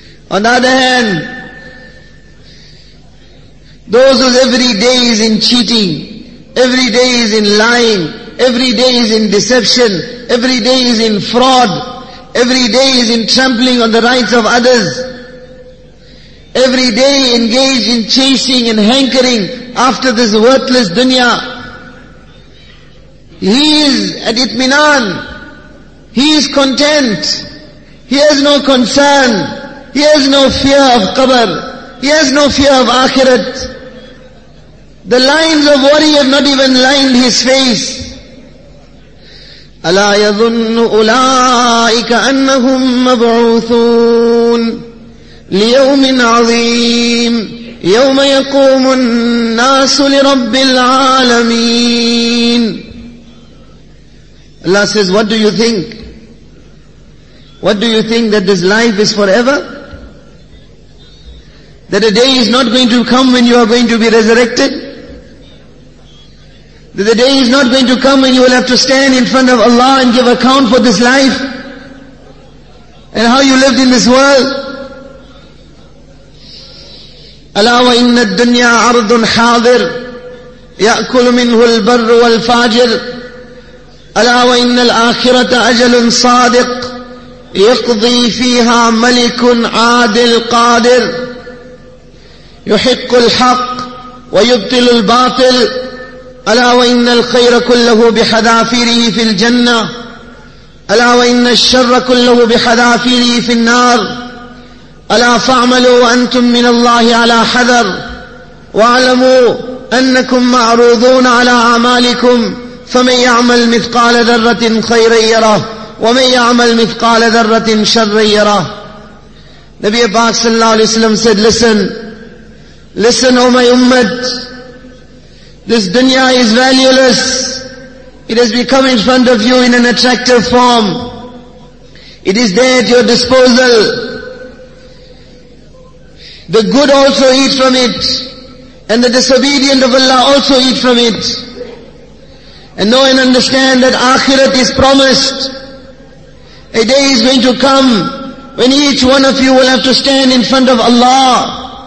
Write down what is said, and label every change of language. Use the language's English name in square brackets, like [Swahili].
[English] On the other hand, those whose every day is in cheating, every day is in lying, every day is in deception, every day is in fraud, every day is in trampling on the rights of others, every day engaged in chasing and hankering after this worthless dunya, he is at itminan. He is content. He has no concern. He has no fear of qabr. He has no fear of akhirat. The lines of worry have not even lined his face. [Arabic] أَلَا يَظُنُّ أُولَٰئِكَ أَنَّهُمْ مَبْعُوثُونَ لِيَوْمٍ عَظِيمٍ يَوْمَ يَقُومُ النَّاسُ لِرَبِّ الْعَالَمِينَ [English] Allah says, what do you think? What do you think, that this life is forever? That a day is not going to come when you are going to be resurrected? That the day is not going to come when you will have to stand in front of Allah and give account for this life? And how you lived in this world? [Arabic] أَلَا وَإِنَّ الدُّنْيَا عَرْضٌ حَاضِرٌ يَأْكُلُ مِنْهُ الْبَرُّ وَالْفَاجِرُ أَلَا وَإِنَّ الْآخِرَةَ أَجَلٌ صَادِقٌ يقضي فيها ملك عادل قادر يحق الحق ويبطل الباطل ألا وإن الخير كله بحذافيره في الجنة ألا وإن الشر كله بحذافيره في النار ألا فاعملوا وأنتم من الله على حذر واعلموا أنكم معروضون على أعمالكم فمن يعمل مثقال ذرة خيرا يره وَمَنْ يَعْمَلْ مِثْقَالَ ذَرَّةٍ شَرًّا يَرَهُ [English] Nabi Abbas sallallahu alayhi wa sallam said, listen, listen, O my ummat, this dunya is valueless. It has become in front of you in an attractive form. It is there at your disposal. The good also eat from it, and the disobedient of Allah also eat from it. And know and understand that akhirat is promised. A day is going to come when each one of you will have to stand in front of Allah.